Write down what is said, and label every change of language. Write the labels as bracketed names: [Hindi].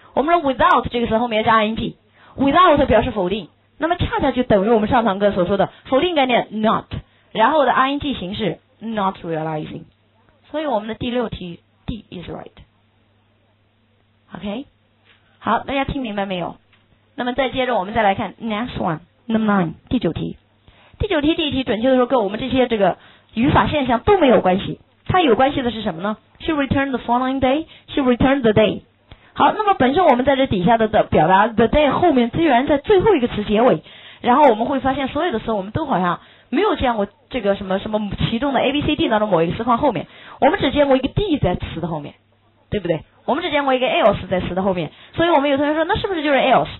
[Chinese] 我们说 without 这个词后面加 ing， without 表示否定，那么恰恰就等于我们上堂课所说的否定概念 not， 然后的 ing 形式 [English] not realizing， [Chinese] 所以我们的第六题 [English] D is right。 [Chinese] OK，好，大家听明白没有？那么再接着我们再来看 [English] next one number nine， [Chinese] 第九题。第一题准确的说跟我们这些这个语法现象都没有关系，它有关系的是什么呢？ [English] She returned the following day， She returned the day。 [Chinese] 好，那么本身我们在这底下的表达 [English] the day [Chinese] 后面居然在最后一个词结尾，然后我们会发现所有的词我们都好像没有见过这个什么什么其中的 ABCD 当中某一个词放后面，我们只见过一个 D 在词的后面，对不对？我们只见过一个 else 在词的后面，所以我们有同学说那是不是就是 else？